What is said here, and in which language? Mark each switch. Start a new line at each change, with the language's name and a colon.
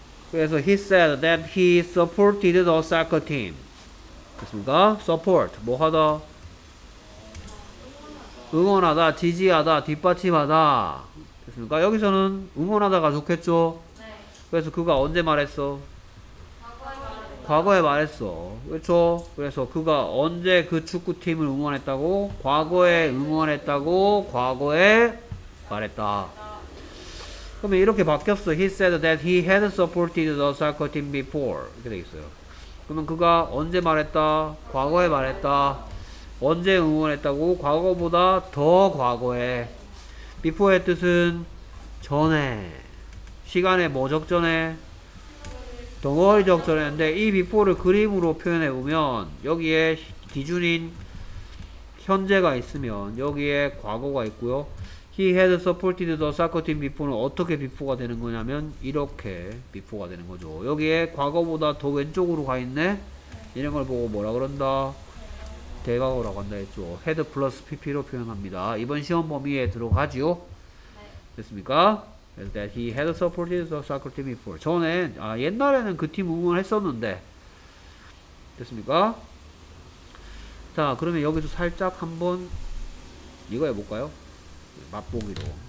English: 그래서 he said that he supported the soccer team.
Korean: 됐습니까? support 뭐하다? 응원하다, 지지하다, 뒷받침하다. 됐습니까? 여기서는 응원하다가 좋겠죠? 그래서 그가 언제 말했어? 과거에 말했어. 그렇죠? 그래서 그가 언제 그 축구팀을 응원했다고? 과거에 응원했다고 과거에 말했다. 그러면 이렇게 바뀌었어.
English: He said that he had supported the soccer team before.
Korean: 이렇게 돼 있어요. 그러면 그가 언제 말했다? 과거에 말했다. 언제 응원했다고? 과거보다 더 과거에. before의 뜻은 전에. 시간에 뭐적 전에? 덩어리적 전에인데 이 before를 그림으로 표현해 보면 여기에 기준인 현재가 있으면 여기에 과거가 있고요.
English: He had supported the soccer team before
Korean: 는 어떻게 before가 되는 거냐면 이렇게 before가 되는 거죠. 여기에 과거보다 더 왼쪽으로 가 있네? 이런 걸 보고 뭐라 그런다? 대과거라고 한다 했죠. head 플러스 pp로 표현합니다. 이번 시험 범위에 들어가지요. 됐습니까?
English: That he had supported the soccer team before.
Korean: 전에, 아, 옛날에는 그 팀 응원했었는데. 됐습니까? 자, 그러면 여기서 살짝 한번 이거 해볼까요? 맛보기로.